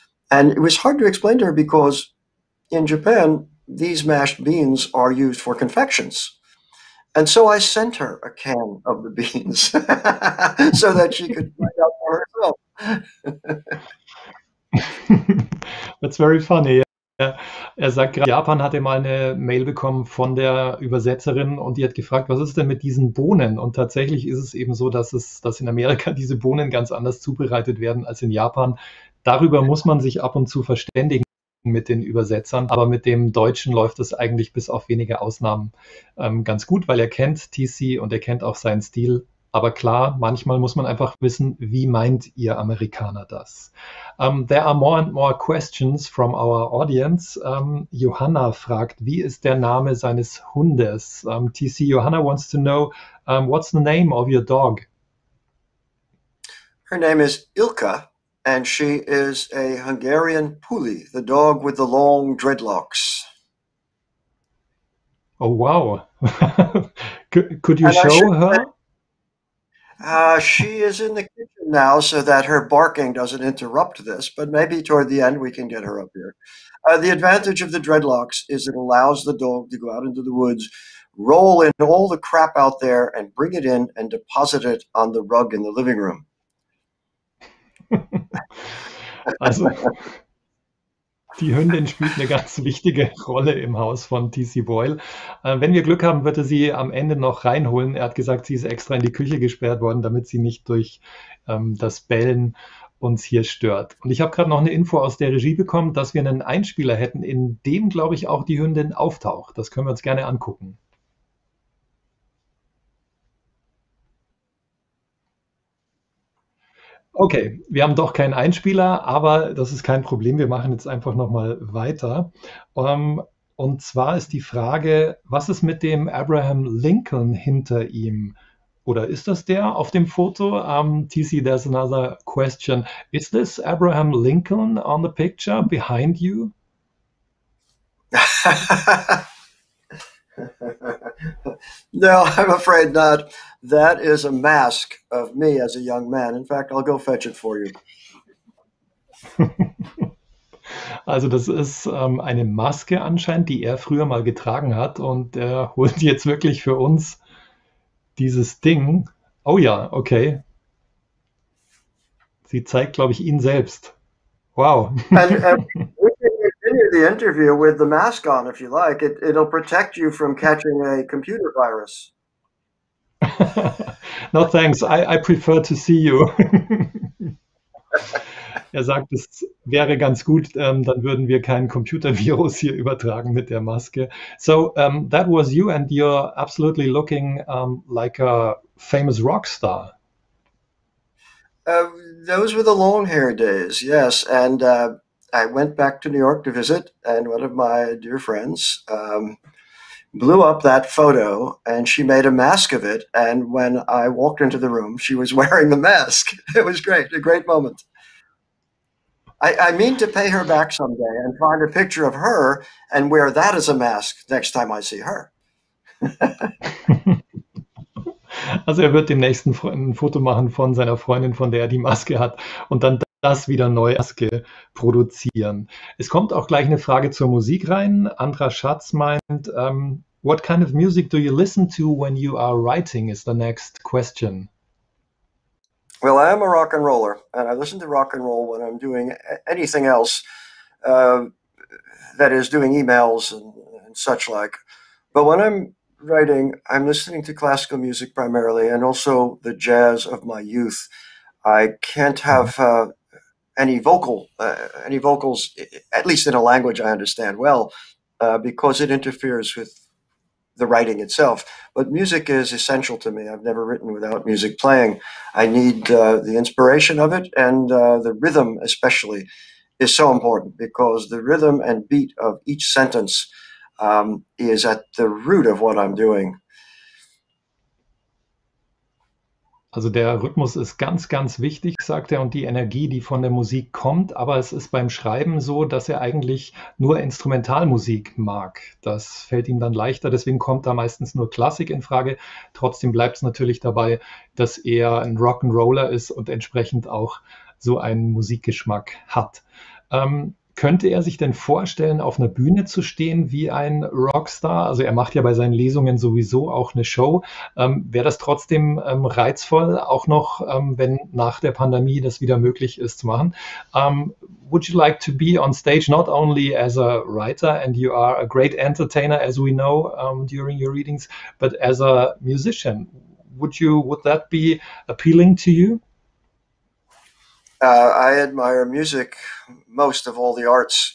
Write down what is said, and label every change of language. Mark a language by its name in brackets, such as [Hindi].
[English] And it was hard to explain to her because in Japan, these mashed beans are used for confections. And so I sent her a can of the beans so that she could find out for herself. That's very funny. [German] Er sagt, Japan hatte mal eine Mail bekommen von der Übersetzerin und die hat gefragt, was ist denn mit diesen Bohnen? Und tatsächlich ist es eben so, dass in Amerika diese Bohnen ganz anders zubereitet werden als in Japan. Darüber muss man sich ab und zu verständigen mit den Übersetzern, aber mit dem Deutschen läuft es eigentlich bis auf wenige Ausnahmen ganz gut, weil er kennt TC und er kennt auch seinen Stil. Aber klar, manchmal muss man einfach wissen, wie meint ihr Amerikaner das? [English] There are more and more questions from our audience. [German] Johanna fragt, wie ist der Name seines Hundes? [English] TC, Johanna wants to know, what's the name of your dog? Her name is Ilka. And she is a Hungarian Puli, the dog with the long dreadlocks. Oh, wow. Could you show her? She is in the kitchen now so that her barking doesn't interrupt this, but maybe toward the end we can get her up here. The advantage of the dreadlocks is it allows the dog to go out into the woods, roll in all the crap out there and bring it in and deposit it on the rug in the living room. [German] Also, die Hündin spielt eine ganz wichtige Rolle im Haus von TC Boyle. Wenn wir Glück haben, wird er sie am Ende noch reinholen. Er hat gesagt, sie ist extra in die Küche gesperrt worden, damit sie nicht durch das Bellen uns hier stört. Und ich habe gerade noch eine Info aus der Regie bekommen, dass wir einen Einspieler hätten, in dem, glaube ich, auch die Hündin auftaucht. Das können wir uns gerne angucken. Okay, wir haben doch keinen Einspieler, aber das ist kein Problem. Wir machen jetzt einfach nochmal weiter. Und zwar ist die Frage, was ist mit dem Abraham Lincoln hinter ihm? Oder ist das der auf dem Foto? [English] TC, there's another question. Is this Abraham Lincoln on the picture behind you? No, I'm afraid not. That is a mask of me as a young man. In fact, I'll go fetch it for you. [German] Also das ist eine Maske anscheinend, die er früher mal getragen hat. Und er holt jetzt wirklich für uns dieses Ding. Oh ja, okay. Sie zeigt, glaube ich, ihn selbst. Wow. [English] The interview with the mask on, if you like, it'll protect you from catching a computer virus. No thanks, I prefer to see you. [German] Er sagt, es wäre ganz gut, dann würden wir kein Computervirus hier übertragen mit der Maske. [English] So, that was you and you're absolutely looking like a famous rockstar. Those were the long hair days, yes. And I went back to New York to visit, and one of my dear friends blew up that photo, and she made a mask of it. And when I walked into the room, she was wearing the mask. It was great, a great moment. I mean to pay her back someday and find a picture of her and wear that as a mask next time I see her. [German] Also er wird demnächst ein Foto machen von seiner Freundin, von der er die Maske hat, und dann das wieder neue Maske produzieren. Es kommt auch gleich eine Frage zur Musik rein. [English] Andra Schatz [German] meint, [English] what kind of music do you listen to when you are writing, is the next question. Well, I am a rock and roller, and I listen to rock and roll when I'm doing anything else, that is doing emails and such like. But when I'm writing, I'm listening to classical music primarily, and also the jazz of my youth. I can't have any vocals, at least in a language I understand well, because it interferes with the writing itself, but music is essential to me. I've never written without music playing. I need the inspiration of it, and the rhythm especially is so important because the rhythm and beat of each sentence is at the root of what I'm doing. [German] Also der Rhythmus ist ganz, ganz wichtig, sagt er, und die Energie, die von der Musik kommt. Aber es ist beim Schreiben so, dass er eigentlich nur Instrumentalmusik mag. Das fällt ihm dann leichter. Deswegen kommt da meistens nur Klassik in Frage. Trotzdem bleibt es natürlich dabei, dass er ein Rock'n'Roller ist und entsprechend auch so einen Musikgeschmack hat. Könnte er sich denn vorstellen, auf einer Bühne zu stehen wie ein Rockstar? Also er macht ja bei seinen Lesungen sowieso auch eine Show. Wäre das trotzdem reizvoll, auch noch, wenn nach der Pandemie das wieder möglich ist zu machen? [English] Would you like to be on stage not only as a writer and you are a great entertainer, as we know, during your readings, but as a musician? Would that be appealing to you? I admire music most of all the arts.